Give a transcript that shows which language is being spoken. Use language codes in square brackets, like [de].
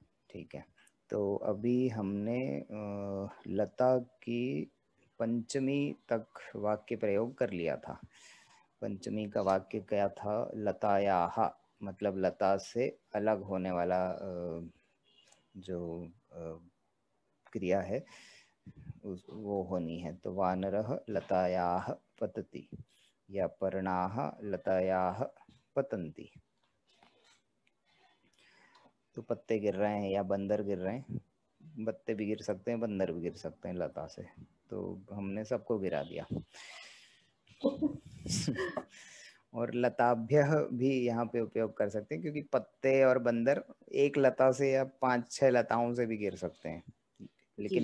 [hi] ठीक है, तो अभी हमने लता की पंचमी तक वाक्य प्रयोग कर लिया था। पंचमी का वाक्य क्या था? लतायाः, मतलब लता से अलग होने वाला जो क्रिया है वो होनी है। [sa] तो वानरः लतायाः पतति, या पर्णाः लतायाः पतन्ति। [hi] तो पत्ते गिर रहे हैं या बंदर गिर रहे हैं, पत्ते भी गिर सकते हैं, बंदर भी गिर सकते हैं लता से, तो हमने सबको गिरा दिया। और लताभ्यः भी यहाँ पे उपयोग कर सकते हैं, क्योंकि पत्ते और बंदर एक लता से या पांच छह लताओं से भी गिर सकते हैं, लेकिन